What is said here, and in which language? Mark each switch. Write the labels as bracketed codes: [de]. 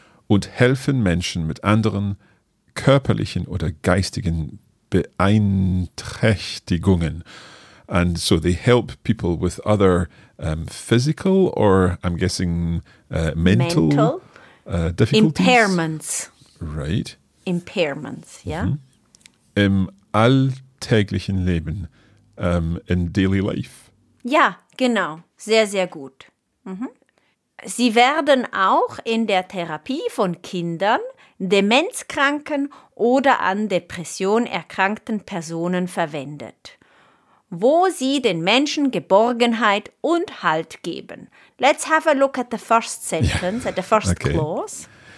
[de] Und helfen Menschen mit anderen körperlichen oder geistigen Beeinträchtigungen. [en] And so they help people with other physical or, I'm guessing, mental difficulties? Impairments. Right. Impairments, yeah. Mm-hmm. [de] Im alltäglichen Leben, [en] in daily life. [de] Ja, genau. Sehr, sehr gut. Mm-hmm. Sie werden auch in der Therapie von Kindern, Demenzkranken oder an Depression erkrankten Personen verwendet, wo sie den Menschen Geborgenheit und Halt geben. [en] Let's have a look at the first sentence, at the first clause.